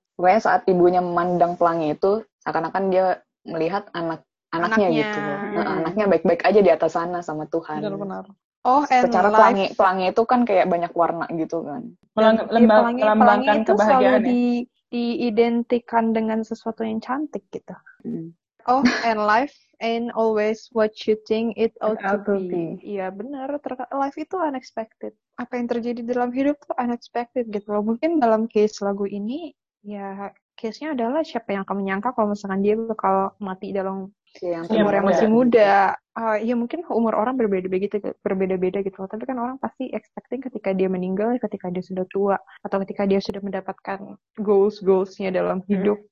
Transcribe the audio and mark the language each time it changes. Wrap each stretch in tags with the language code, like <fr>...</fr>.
<id>Pokoknya saat ibunya memandang pelangi itu, seakan-akan dia melihat anaknya gitu. Anaknya baik-baik aja di atas sana sama Tuhan. Benar-benar.</id> <en>Oh, and</en> <id>secara life. Pelangi itu kan kayak banyak warna gitu kan. Melambangkan kebahagiaan. Pelangi itu selalu ya? Di diidentikan dengan sesuatu yang cantik gitu.</id> <en>Oh, and life ain't always what you think it ought to be.</en> <id>Iya benar, life itu unexpected. Apa yang terjadi dalam hidup tuh unexpected gitu. Mungkin dalam case lagu ini, ya case-nya adalah siapa yang akan menyangka kalau misalkan dia bakal mati dalam umur yang masih muda. Ya mungkin umur orang berbeda-beda gitu. Tapi kan orang pasti expecting ketika dia meninggal, ketika dia sudah tua, atau ketika dia sudah mendapatkan goals-goals-nya dalam hidup.</id>